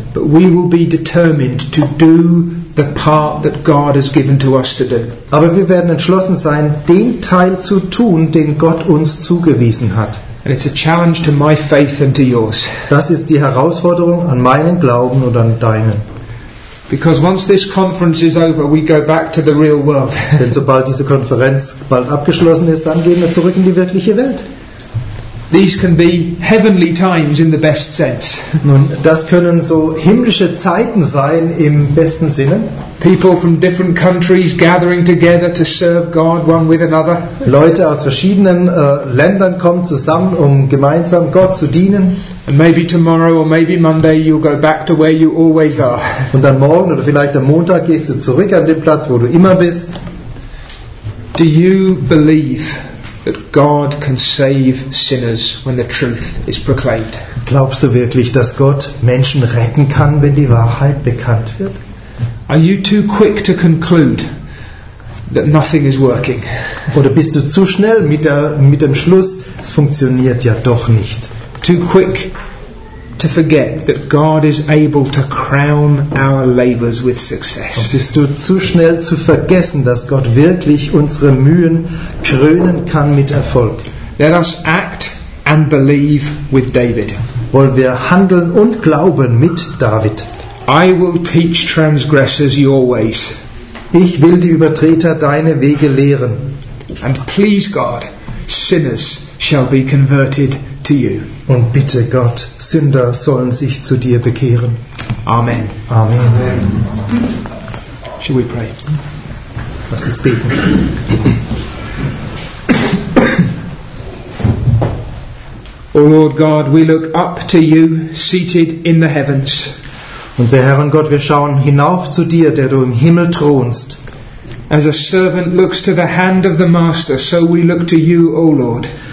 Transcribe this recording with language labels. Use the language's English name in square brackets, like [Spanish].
[English] But we will be determined to do the part that God has given to us to do. [German] Aber wir werden entschlossen sein, den Teil zu tun, den Gott uns zugewiesen hat. [English] And it's a challenge to my faith and to yours. [German] Das ist die Herausforderung an meinen Glauben und an deinen. [English] Because once this conference is over, we go back to the real world. [German] Denn sobald diese Konferenz bald abgeschlossen ist, dann gehen wir zurück in die wirkliche Welt. [English] These can be heavenly times in the best sense. [German] Nun, das können so himmlische Zeiten sein im besten Sinne. [English] People from different countries gathering together to serve God one with another. [German] Leute aus verschiedenen Ländern kommen zusammen, um gemeinsam Gott zu dienen. [English] And maybe tomorrow or maybe Monday you'll go back to where you always are. [German] Und dann morgen oder vielleicht am Montag gehst du zurück an den Platz, wo du immer bist. [English] Do you believe that God can save sinners when the truth is proclaimed? [German] Glaubst du wirklich, dass Gott Menschen retten kann, wenn die Wahrheit bekannt wird? [English] Are you too quick to conclude that nothing is working? [German] Oder bist du zu schnell mit dem Schluss, es funktioniert ja doch nicht? [English] Too quick to forget that God is able to crown our labors with success. [German] Und bist du zu schnell zu vergessen, dass Gott wirklich unsere Mühen krönen kann mit Erfolg? [English] Let us act and believe with David. [German] Wollen wir handeln und glauben mit David? [English] I will teach transgressors your ways. [German] Ich will die Übertreter deine Wege lehren. [English] And please God, sinners shall be converted to you. [German] Und bitte Gott, Sünder sollen sich zu dir bekehren. [English] Amen. [German] Amen. Amen. [English] Shall we pray? [German] Lass uns beten. [English] O Lord God, we look up to you seated in the heavens. [German] Unser Herr und Gott, wir schauen hinauf zu dir, der du im Himmel thronst. [English] As a servant looks to the hand of the master, so we look to you, O Lord.